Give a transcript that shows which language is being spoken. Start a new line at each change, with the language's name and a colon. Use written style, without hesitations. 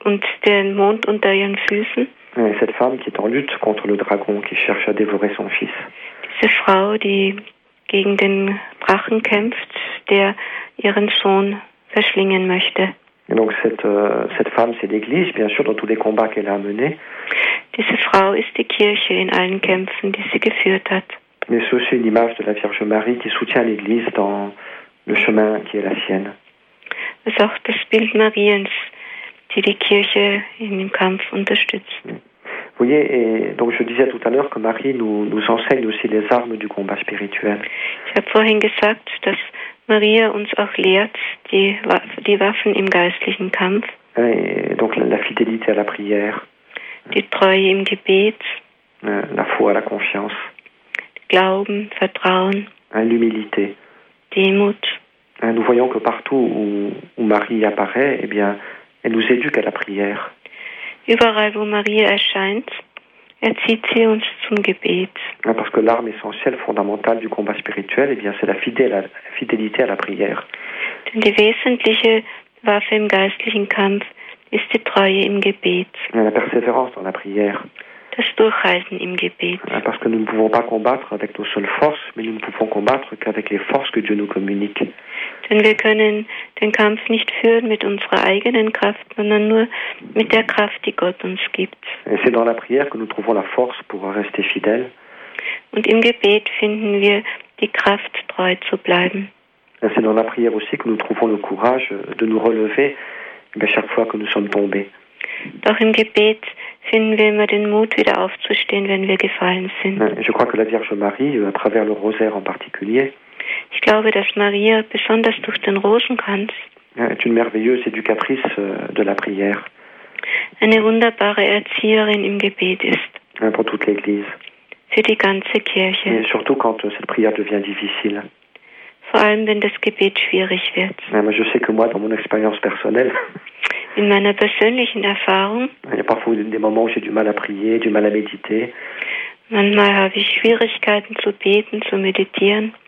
German: Und den Mond unter ihren Füßen.
French: Et cette femme qui est en lutte contre le dragon qui cherche à dévorer son fils.
German: Diese Frau, die gegen den Drachen kämpft, der ihren Sohn verschlingen möchte.
French: Et donc cette femme, c'est l'Église, bien sûr, dans tous les combats qu'elle a menés.
German: Diese Frau ist die Kirche in allen Kämpfen, die sie geführt hat.
French: Mais c'est aussi une image de la Vierge Marie qui soutient l'Église dans le chemin qui est la sienne.
German: Es ist auch das Bild Mariens, die die Kirche in dem Kampf unterstützt.
French: Vous voyez, et donc je disais tout à l'heure que Marie nous enseigne aussi les armes du combat spirituel.
German: Ich habe vorhin gesagt, dass Maria uns auch lehrt, die Waffen im geistlichen Kampf.
French: Et donc la fidélité à la prière.
German: Die Treue im Gebet.
French: La foi, la confiance.
German: Glauben, Vertrauen.
French: L'humilité.
German: Demut.
French: Nous voyons que partout où Marie apparaît, eh bien, elle nous éduque à la prière.
German: Überall wo Marie erscheint, erzieht sie uns zum Gebet.
French: Parce que l'arme essentielle, fondamentale du combat spirituel, eh bien, c'est la fidélité à la prière.
German: Denn die wesentliche Waffe im geistlichen Kampf ist die Treue im Gebet.
French: La persévérance dans la prière.
German: Das Durchhalten im Gebet.
French: Parce que nous ne pouvons pas combattre avec nos seules forces, mais nous ne pouvons combattre qu'avec les forces que Dieu nous communique.
German: Denn wir können den Kampf nicht führen mit unserer eigenen Kraft, sondern nur mit der Kraft, die Gott uns gibt.
French: Et c'est dans la prière que nous trouvons la force pour rester fidèles.
German: Und im Gebet finden wir die Kraft, treu zu bleiben.
French: Et c'est dans la prière aussi que nous trouvons le courage de nous relever chaque fois que nous sommes tombés.
German: Doch im Gebet finden wir immer den Mut, wieder aufzustehen, wenn wir gefallen sind.
French: Je crois que la Vierge Marie, à travers le rosaire en particulier,
German: ich glaube, dass Maria besonders durch den Rosenkranz
French: est une merveilleuse éducatrice de la prière.
German: Eine wunderbare Erzieherin im Gebet ist.
French: Pour toute l'Église.
German: Für die ganze Kirche.
French: Et surtout quand cette prière devient difficile.
German: Vor allem, wenn das Gebet schwierig wird.
French: Je sais que moi, dans mon expérience personnelle,
German: in meiner persönlichen Erfahrung,
French: il y a parfois des moments où j'ai du mal à prier, du mal à méditer.
German: Manchmal habe ich Schwierigkeiten zu beten, zu meditieren.